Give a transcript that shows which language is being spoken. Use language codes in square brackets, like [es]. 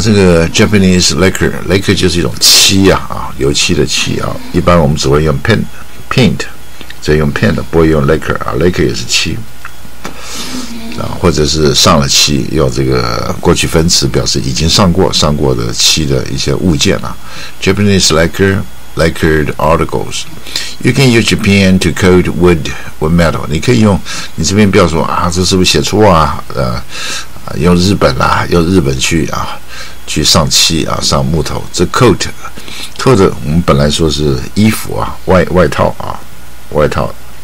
[zh] 这个 Japanese liquor 就是一种漆啊，油漆的漆啊，一般我们只会用 paint 只用 paint 不会用 liquor 啊， liquor 也是漆啊，或者是上了漆，用这个过去分词表示已经上过的漆的一些物件啊。 [en] Japanese lacquered articles. You can use Japan to coat wood with metal. [zh] 你可以用，你这边不要说啊，这是不是写错啊？用日本啦、啊，用日本去啊，去上漆啊，上木头。这 coat 我们本来说是衣服啊，外套啊，外套。